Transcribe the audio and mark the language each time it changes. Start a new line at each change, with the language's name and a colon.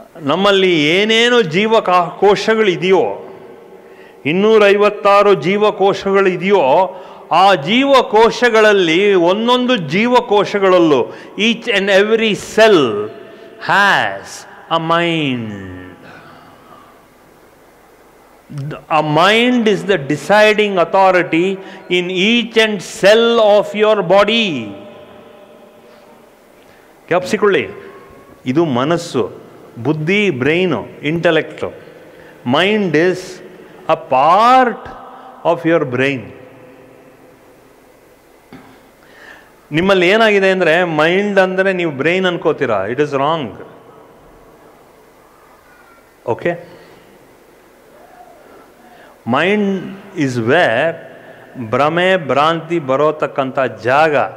Kannada: ನಮ್ಮಲ್ಲಿ ಏನೇನು ಜೀವಕೋಶಗಳಿದೆಯೋ, 256 ಜೀವಕೋಶಗಳಿದೆಯೋ, ಆ ಜೀವಕೋಶಗಳಲ್ಲಿ ಒಂದೊಂದು ಜೀವಕೋಶಗಳಲ್ಲೂ
English: Each and every cell has a mind. A mind is the deciding authority in each and cell of your body. Capsicle.
Kannada: Idu manasu, buddhi, brain, intellect.
English: Mind is a part of your brain.
Kannada: ನಿಮ್ಮಲ್ಲಿ ಏನಾಗಿದೆ ಅಂದರೆ mind ಅಂದರೆ ನೀವು brain ಅನ್ಕೋತೀರಾ,
English: It is wrong. Okay, mind is where
Kannada: ಭ್ರಮೆ ಭ್ರಾಂತಿ ಬರೋತಕ್ಕಂಥ ಜಾಗ.